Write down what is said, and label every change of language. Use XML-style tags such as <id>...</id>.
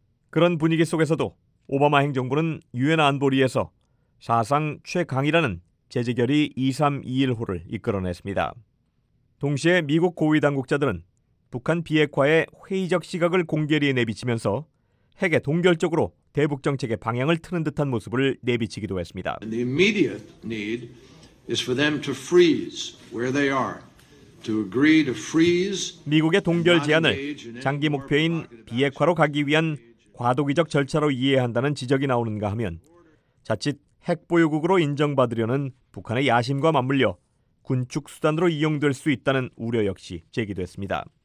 <ko>그런 분위기 속에서도 오바마 행정부는 유엔 안보리에서 사상 최강이라는 제재결의 2321호를 이끌어냈습니다. 동시에 미국 고위 당국자들은 북한 비핵화의 회의적 시각을 공개리에 내비치면서 핵에 동결적으로 대북 정책의 방향을 트는 듯한 모습을 내비치기도 했습니다.</ko> <en>The immediate need is for them to freeze where they are. To agree to freeze.</en> <ko>미국의 동결 제안을 장기 목표인 비핵화로 가기 위한 과도기적 절차로 이해한다는 지적이 나오는가 하면 자칫 핵 보유국으로 인정받으려는 북한의 야심과 맞물려 군축 수단으로 이용될 수 있다는 우려 역시 제기됐습니다.</ko>